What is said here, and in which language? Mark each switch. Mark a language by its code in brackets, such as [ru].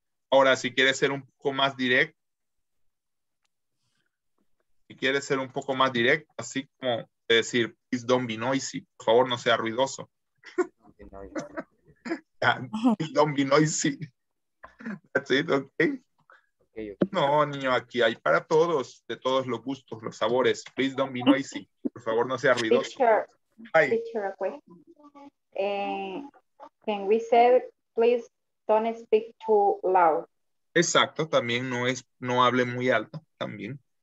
[es] Ahora, si quieres ser un poco más directo, así como decir, [en] please don't be noisy. [es] Por favor, no sea ruidoso. [en] Don't be noisy. Yeah, please don't be noisy. That's it, okay. [es] No, niño, aquí hay para todos, de todos los gustos, los sabores. [en] Please don't be noisy. [es] Por favor, no sea ruidoso. [en] Teacher, a question. Can we say, please don't speak too loud? [es] Exacto, también no es, no hable muy alto, también.